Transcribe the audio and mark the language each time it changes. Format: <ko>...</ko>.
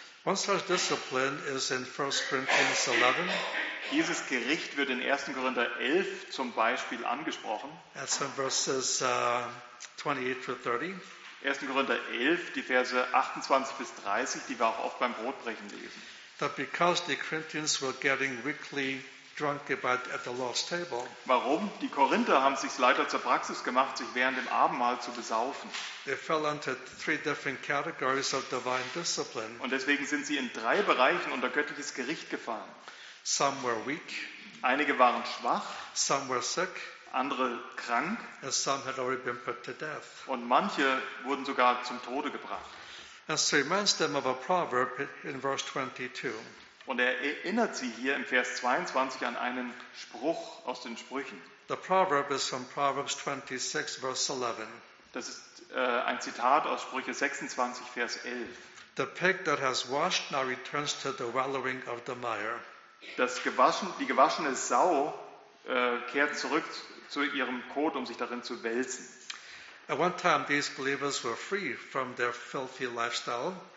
<en>One such discipline is in 1 Corinthians 11.</en> <de>Dieses Gericht wird in 1. Korinther 11 zum Beispiel angesprochen.</de> <en>That's in verses 28-30.</en> <de>1. Korinther 11, die Verse 28-30, die wir auch oft beim Brotbrechen lesen.</de> <en>That because the Corinthians were getting weakly drunk about at the Lord's table.</en> <de>Warum? Die Korinther haben es sich leider zur Praxis gemacht, sich während dem Abendmahl zu besaufen.</de> <en>They fell into three different categories of divine discipline.</en> <de>Und deswegen sind sie in drei Bereichen unter göttliches Gericht gefallen.</de> <en>Some were weak.</en> <de>Einige waren schwach.</de> <en>Some were sick.</en> <de>Andere krank.</de> <en>And some had already been put to death.</en> <de>Und manche wurden sogar zum Tode gebracht.</de> <en>And so reminds them of a proverb in verse 22.</en> <de>Und er erinnert sie hier im Vers 22 an einen Spruch aus den Sprüchen.</de> <en>The proverb is from Proverbs 26, verse 11.</en> <de>Das ist ein Zitat aus Sprüche 26, Vers 11.</de> <en>The pig that has washed now returns to the wallowing of the mire.</en> <de>Die gewaschene Sau kehrt zurück zu ihrem Kot, um sich darin zu wälzen.</de> <en>At one time these believers were free from their filthy lifestyle.</en>